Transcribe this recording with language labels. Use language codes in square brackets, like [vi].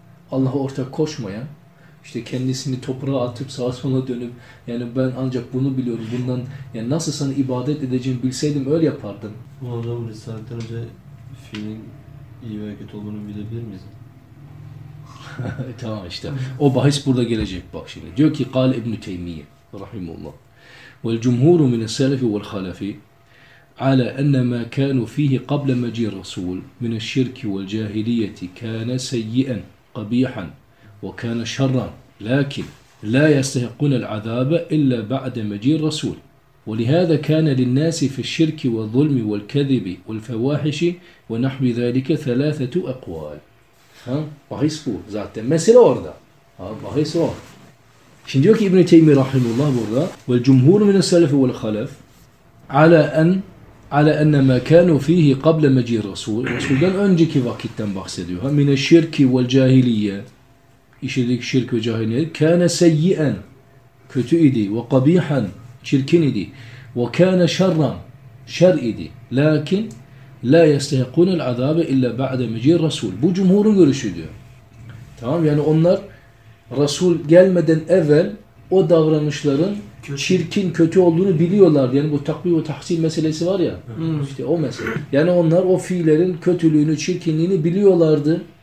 [tr] Allah'a ortak koşmayan, işte kendisini toprağa atıp sağa sola dönüp, yani ben ancak bunu biliyorum, bundan yani nasıl sana ibadet edeceğimi bilseydim öyle yapardım. Bu adam Risale'den önce fiilin iyi ve kötü olduğunu bilebilir miyiz? Tamam işte. O bahis burada gelecek bak şimdi. Diyor ki [ar] قال ابن تيمية رحمه الله والجمهور من السلف والخلف على أن ما كانوا فيه قبل مجيء الرسول من الشرك والجاهلية كان سيئا قبيحا وكان شرا لكن لا يستحقون العذاب إلا بعد مجيء الرسول ولهذا كان للناس في الشرك والظلم والكذب والفواحش ونحو ذلك ثلاثة أقوال. [tr] Ha, bahis bu zaten. Mesele orada. Ha, bahis o. Şimdi diyor ki İbn-i Teymi Rahimullah burada [ar] وَالْجُمْهُورُ مِنَ السَّلَفِ وَالْخَلَفِ عَلَى أَنَّ مَا كَانُوا ف۪يهِ قَبْلَ مَجِيهِ رَسُولِ. Resulden önceki vakitten bahsediyor. مِنَ الشِّرْكِ وَالْجَاهِلِيَّ. [tr] İşledik şirk ve cahiliyet. [ar] كَانَ سَيِّئًا. [tr] Kötü idi. [ar] وَقَبِيحًا. [tr] Çirkin idi. [ar] وَكَانَ شَرًّا. [tr] Şer idi. [ar] Lakin لَا يَسْتَهَقُونَ الْعَذَابَ اِلَّا بَعْدَ مَجِيهِ الرَّسُولِ. [tr] Bu cumhurun görüşü diyor. Tamam, yani onlar Resul gelmeden evvel o davranışların kötü, çirkin, kötü olduğunu biliyorlar. Yani bu takvi ve tahsil meselesi var ya, işte o mesele. Yani onlar o fiillerin kötülüğünü, çirkinliğini biliyorlardı.